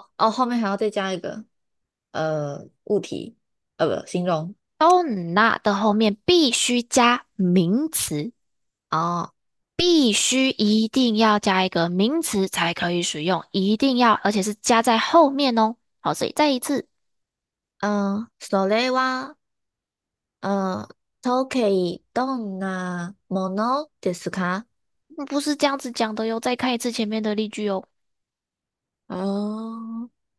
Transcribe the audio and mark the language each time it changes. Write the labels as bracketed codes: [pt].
[zh] 后面还要再加一个，物体，不，形容。 donna 的后面必须加名词，必须一定要加一个名词才可以使用，一定要，而且是加在后面哦。好，所以再一次。 [ja] それは、時計どんなものですか？ [zh] 不是这样子讲的哟，再看一次前面的例句哦。